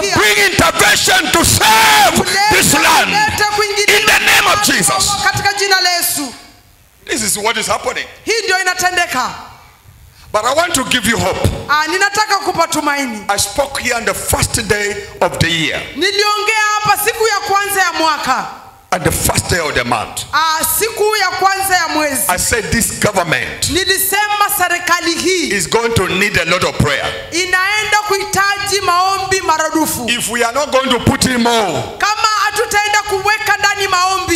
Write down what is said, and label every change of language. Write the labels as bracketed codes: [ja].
[en] To bring intervention to save this land. In the name of Jesus. [sw] Katika jina la Yesu. [en] This is what is happening. [sw] Hii ndio inatendeka. [en] But I want to give you hope. [sw] Ninataka kukupa tumaini. [en] I spoke here on the first day of the year. [sw] Niliongea hapa siku ya kwanza ya mwaka. [en] At the first day of the month. [sw] Siku ya kwanza ya mwezi. [en] I said this government. [sw] Nilisema serikali hii. [en] Is going to need a lot of prayer. [sw] Inaenda kuhitaji maombi maradufu. [en] If we are not going to put in more. [sw] Kama hatutaenda kuweka ndani maombi.